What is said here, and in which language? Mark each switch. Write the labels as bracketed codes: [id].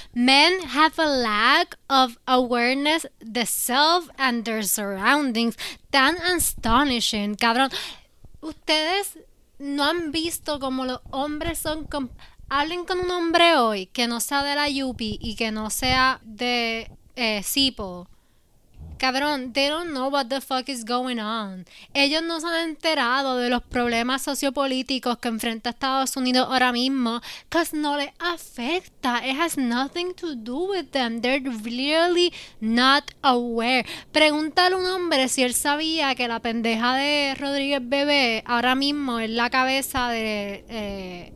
[en] Men have a lack of awareness, the self and their surroundings. [es] Tan astonishing, cabrón. Ustedes no han visto como los hombres son... Hablen con un hombre hoy que no sea de la Yupi y que no sea de Sipo. [en] Cabrón, they don't know what the fuck is going on. [es] Ellos no se han enterado de los problemas sociopolíticos que enfrenta Estados Unidos ahora mismo. [en] Cause no les afecta. It has nothing to do with them. [es] They're really not aware. Pregúntale a un hombre si él sabía que la pendeja de Rodríguez Bebé ahora mismo es la cabeza de...